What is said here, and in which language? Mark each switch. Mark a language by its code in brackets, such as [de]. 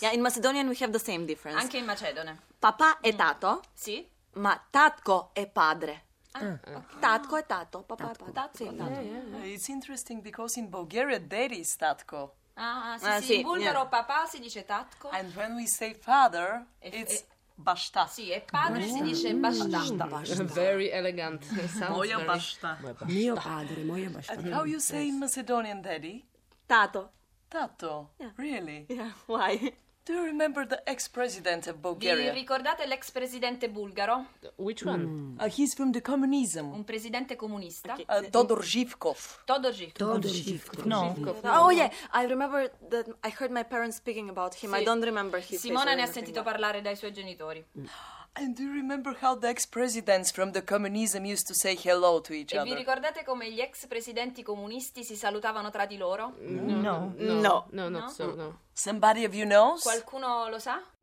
[en] Yeah, in Macedonian we have the same difference. [it] Anche in Macedone. Papà è tato. Sì. Ma tatko è padre. [en] Okay. [it] Tatko è tato, papà è padre. [mk] Tatko. [en] Yeah. It's interesting because in Bulgaria daddy is tatko. [it] Sì, sì, in bulgaro papà si dice tatko. [en] And when we say father, it's bashta. [it] Sì, e padre si dice bashta. [en] Very elegant. [bg] Moja bashta. [it] Mio padre, [bg] moja bashta. [en] And how you say in Macedonian daddy? [mk] Tato. Tato? [en] Yeah. Really? Yeah, why? Do you remember the ex-president of Bulgaria? [it] Vi ricordate l'ex presidente bulgaro? [en] Which one? He's from the communism. [it] Un presidente comunista. [en] Okay. Todor Živkov. Todor Živkov. Todor Živkov. No. Oh yeah, I remember that I heard my parents speaking about him. [it] Sì. [en] I don't remember his [it] Simona ne ha sentito parlare dai suoi genitori. [en] And do you remember how the ex-presidents from the communism used to say hello to each other? [it] E vi ricordate come gli ex-presidenti comunisti si salutavano tra di loro? [en] No. Somebody of you knows? [it] Qualcuno lo sa?